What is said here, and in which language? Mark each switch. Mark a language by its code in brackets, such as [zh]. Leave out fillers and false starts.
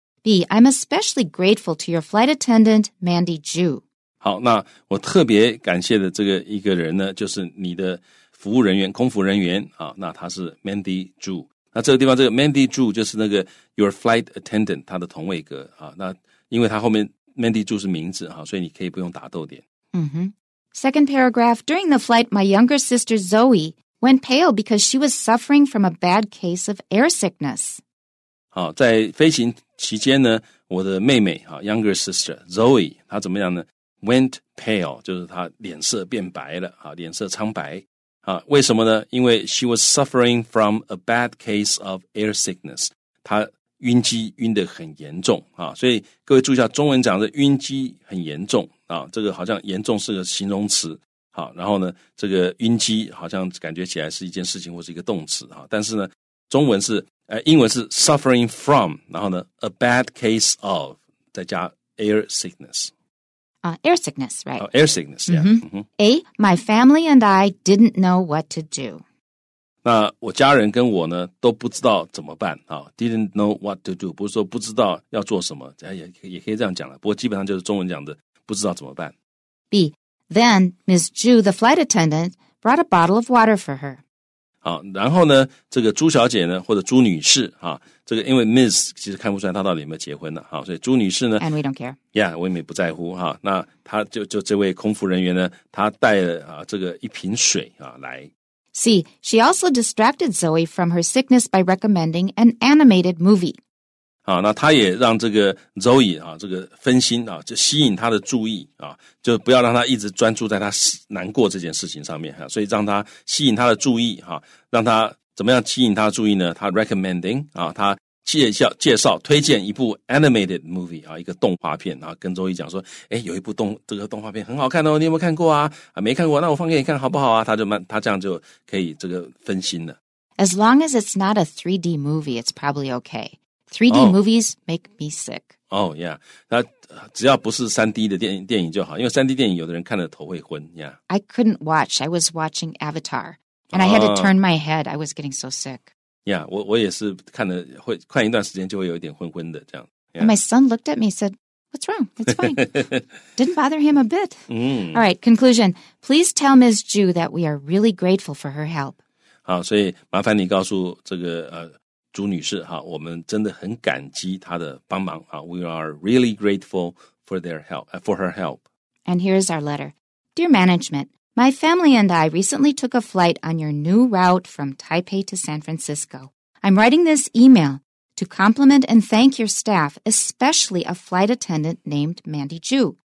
[en] B. I'm especially grateful to your flight attendant Mandy Zhu [zh] 好那我特别感谢的这个一个人呢就是你的服务人员空服人员、啊、那他是 Mandy Zhu 那这个地方这个 Mandy Zhu 就是那个 [en] Your Flight Attendant [zh] 他的同位格、啊、那因为他后面 Mandy Zhu 是名字、啊、所以你可以不用打逗点、 mm-hmm. [en] Second paragraph, during the flight, my younger sister Zoe went pale because she was suffering from a bad case of air sickness. [zh] 好，在飞行期间呢，我的妹妹、啊、 [en] younger sister Zoe [zh] 她怎么样呢？ [en] Went pale, [zh] 就是她脸色变白了，脸色苍白。为什么呢？因为 [en] she was suffering from a bad case of air sickness. [zh] 她晕机晕得很严重。所以各位注意一下，中文讲的晕机很严重，这个好像严重是个形容词。然后呢，这个晕机好像感觉起来是一件事情或是一个动词。但是呢，中文是，英文是 [en] suffering from, [zh] 然后呢 [en] a bad case of, [zh] 再加 [en] air sickness。 Air sickness, right? Air sickness, yeah. Mm-hmm. Mm-hmm. A, my family and I didn't know what to do. [zh] 那我家人跟我呢都不知道怎么办、啊、 [en] didn't know what to do, [zh] 不是说不知道要做什么 也可以这样讲了，不过基本上就是中文讲的不知道怎么办。 [en] B, then Ms. Zhu, the flight attendant, brought a bottle of water for her. [zh] 好，然后呢，这个朱小姐呢，或者朱女士、啊、这个因为 Miss 其实看不出来她到底有没有结婚了、啊、所以朱女士呢 [en] And we don't care. [zh] Yeah, 我也没不在乎、啊、那她就这位空服人员呢，她带了、啊、这个一瓶水、啊、来。 [en] C, she also distracted Zoe from her sickness by recommending an animated movie. [zh] 好，那她也让这个 Zoe、啊、这个分心、啊、就吸引她的注意、啊、就不要让她一直专注在她难过这件事情上面、啊、所以让她吸引她的注意、啊、让她怎么样吸引她的注意呢？她 recommending 啊，她介绍推荐一部 [en] animated movie [zh] 啊，一个动画片，然后跟周一讲说，哎，有一部动画片很好看哦，你有没有看过啊？啊，没看过，那我放给你看好不好啊？她这样就可以这个分心了。 [en] As long as it's not a 3D movie, it's probably okay. 3D movies make me sick. [zh] Oh yeah, 那只要不是 3D 的电影就好，因为 3D 电影有的人看了头会昏。 Yeah, [en] I couldn't watch. I was watching Avatar. And I had to turn my head. I was getting so sick. [zh] Yeah, 我也是看了会快一段时间就会有一点昏昏的这样。 Yeah. [en] And my son looked at me and said, what's wrong? It's fine. Didn't bother him a bit. Mm. All right, conclusion. Please tell Ms. Zhu that we are really grateful for her help. [zh] 好，所以麻烦你告诉这个朱女士哈，我们真的很感激她的帮忙啊。 [en] We are really grateful for her help. And here's our letter. Dear management,My family and I recently took a flight on your new route from Taipei to San Francisco. I'm writing this email to compliment and thank your staff, especially a flight attendant named Mandy Zhu.